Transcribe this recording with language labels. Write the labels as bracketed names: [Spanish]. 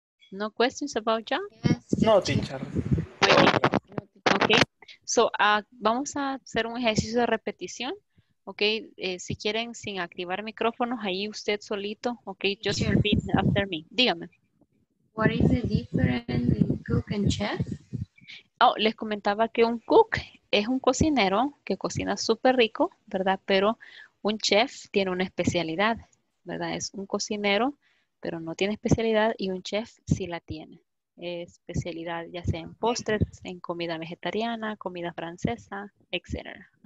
[English] No questions about jobs? Yes. No, teacher. Okay. So, [Spanish] vamos a hacer un ejercicio de repetición. Ok, si quieren, sin activar micrófonos, ahí usted solito. [English] Ok, just repeat after me. [Spanish] Dígame. [English] What is the difference in cook and chef? [Spanish] Oh, les comentaba que un [English] cook [Spanish] es un cocinero que cocina súper rico, ¿verdad? Pero un chef tiene una especialidad, ¿verdad? Es un cocinero, pero no tiene especialidad, y un chef sí la tiene. Especialidad ya sea en postres, en comida vegetariana, comida francesa, etc.